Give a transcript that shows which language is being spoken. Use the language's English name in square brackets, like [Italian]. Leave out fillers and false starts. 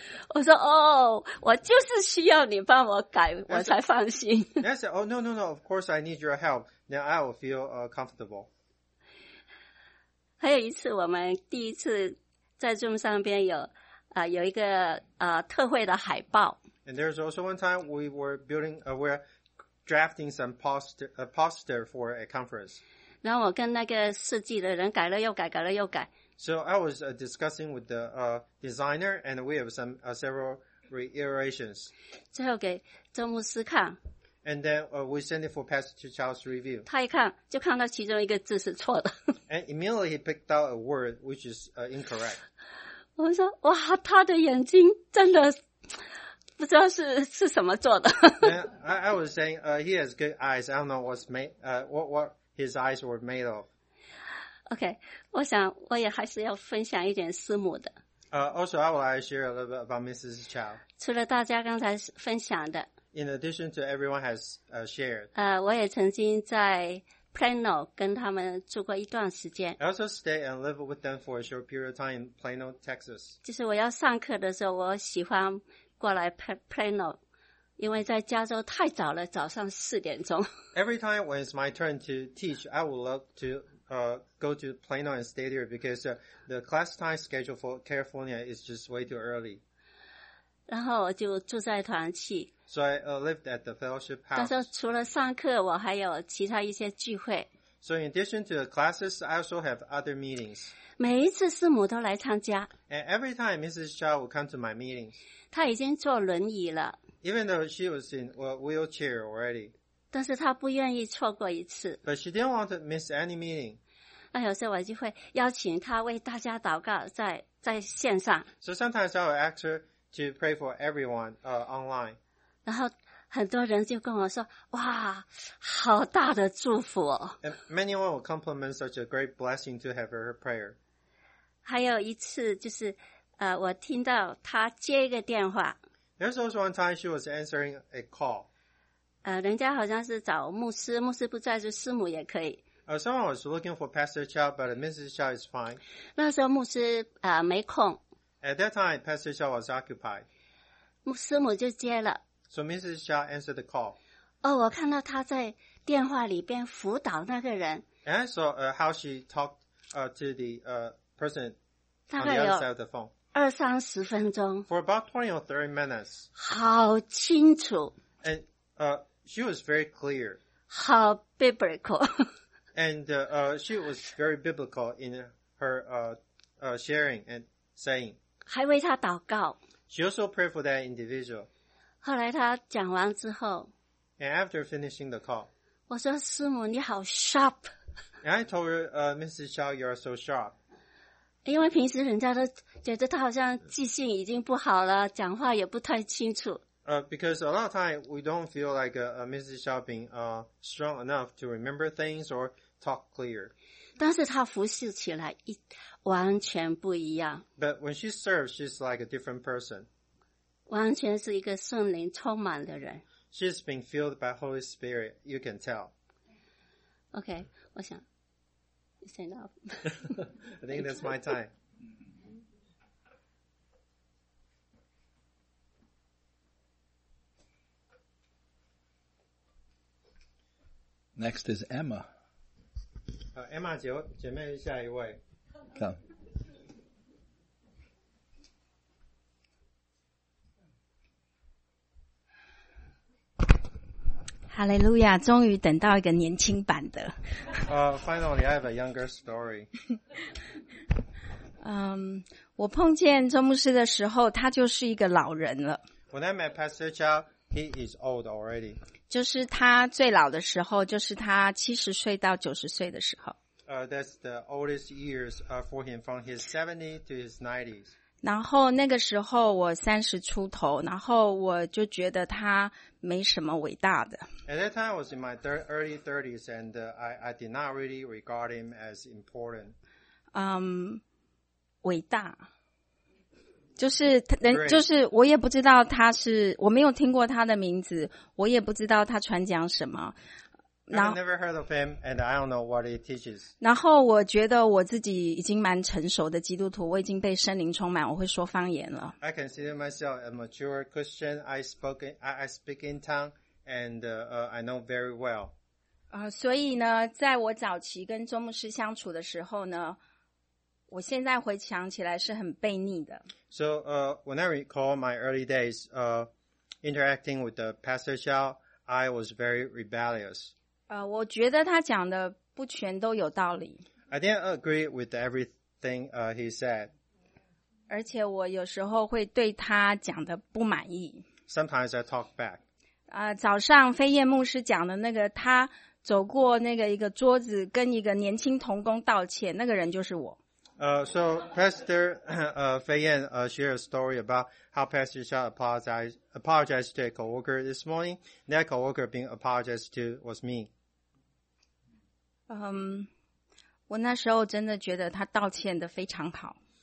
[Chinese] 我说，哦，我就是需要你帮我改，我才放心。 [English] I said, oh, no, of course I need your help. Then I will feel comfortable. [Chinese] 还有一次我们第一次在 Zoom 上边有一个特会的海报。 [English] And there's also one time we were building, we're drafting some poster for a conference. [Chinese] 然后我跟那个设计的人改了又改，改了又改。 [English] So I was discussing with the designer and we have some several reiterations. [Chinese] 最后给周牧师看。 [English] And then we send it for Pastor Charles to review. [Chinese] 他一看就看到其中一个字是错的。 [English] And immediately he picked out a word which is incorrect. [Chinese] 我说哇，他的眼睛真的不知道是什么做的。 [English] I was saying he has good eyes. I don't know what's made what his eyes were made of. [Chinese] Okay, 我想我也还是要分享一点师母的。 [English] Also, I will share a little bit about Mrs. Chow. [Chinese] 除了大家刚才分享的。 [English] In addition to everyone has shared. [Chinese] 我也曾经在 Plano 跟他们住过一段时间。 [English] I also stay and live with them for a short period of time in Plano, Texas. [Chinese] 就是我要上课的时候，我喜欢过来 Plano, 因为在加州太早了，早上四点钟。 [English] Every time when it's my turn to teach, I would love to go to Plano and stay there because the class time schedule for California is just way too early. [Chinese] 然后我就住在团契。 [English] So I lived at the fellowship house. [Chinese] 但是除了上课，我还有其他一些聚会。 [English] So in addition to the classes, I also have other meetings. [Chinese] 每一次师母都来参加。 [English] And every time Mrs. Chow would come to my meetings. [Chinese] 她已经坐轮椅了。 [English] Even though she was in a wheelchair already. [Chinese] 但是她不愿意错过一次。 [English] But she didn't want to miss any meeting. [Chinese] 那有时候我就会邀请她为大家祷告在线上。 [English] So sometimes I would ask her to pray for everyone online. [Chinese] 然后很多人就跟我说：“哇，好大的祝福哦！” [English] And many will compliment such a great blessing to have her prayer. [Chinese] 还有一次就是，我听到她接一个电话。 [English] There's also one time she was answering a call. [Chinese] 人家好像是找牧师，牧师不在，就师母也可以。 [English] Someone was looking for Pastor Chao, but Mrs. Chao is fine. [Chinese] 那时候牧师没空。 [English] At that time, Pastor Chao was occupied. [Chinese] 师母就接了。 [English] So Mrs. Chow answered the call. [Chinese] Oh, 我看到她在电话里边辅导那个人。 [English] And I saw how she talked to the person on the other side of the phone. [Chinese] 二三十分钟。 [English] For about 20 or 30 minutes. [Chinese] 好清楚。 [English] And she was very clear. [Chinese] 好 [English] biblical. And she was very biblical in her sharing and saying. [Chinese] 还为他祷告。 [English] She also prayed for that individual. [Chinese] 后来他讲完之后。 [English] And after finishing the call. [Chinese] 我说师母你好 [English] sharp. And I told her, Mrs. Chow, you are so sharp. [Chinese] 因为平时人家都觉得他好像记性已经不好了，讲话也不太清楚。 [English] Because a lot of time we don't feel like Mrs. Chow being strong enough to remember things or talk clear. [Chinese] 但是他服侍起来一完全不一样。 [English] But when she serves, she's like a different person. [Chinese] 完全是一个圣灵充满的人。 [English] She's been filled by Holy Spirit, you can tell. Okay, [Chinese] 我想 [English] it's enough. I think that's my time. Next is Emma. [Chinese] Emma, 姐妹下一位。 [English] Come. [Chinese] Hallelujah, 终于等到一个年轻版的。 [English] Finally, I have a younger story. [Chinese] 我碰见周牧师的时候他就是一个老人了。 [English] When I met Pastor Chow, he is old already. [Chinese] 就是他最老的时候就是他70岁到90岁的时候。 [English] That's the oldest years for him from his 70 to his 90s. [Chinese] 然后那个时候我30出头，然后我就觉得他没什么伟大的。 [English] At that time, I was in my early 30s, and I did not really regard him as important. [Chinese] 伟大，就是人，就是我也不知道他是，我没有听过他的名字，我也不知道他传讲什么。 [English] I've never heard of him, and I don't know what he teaches. [Chinese] 然后我觉得我自己已经蛮成熟的基督徒，我已经被圣灵充满，我会说方言了。 [English] I consider myself a mature Christian. I speak in tongues. And I know very well. [Chinese] 所以呢，在我早期跟周牧师相处的时候呢，我现在回想起来是很悖逆的。 [English] So when I recall my early days interacting with the Pastor Chow, I was very rebellious. [Chinese] 我觉得他讲的不全都有道理。 [English] I didn't agree with everything he said. [Chinese] 而且我有时候会对他讲的不满意。 [English] Sometimes I talk back. [Chinese] 早上飞燕牧师讲的那个他走过那个一个桌子跟一个年轻同工道歉那个人就是我。 [English] So Pastor 飞燕 shared a story about how Pastor Chow apologized to a co-worker this morning. That co-worker being apologized to was me. [Chinese] 我那时候真的觉得他道歉的非常好。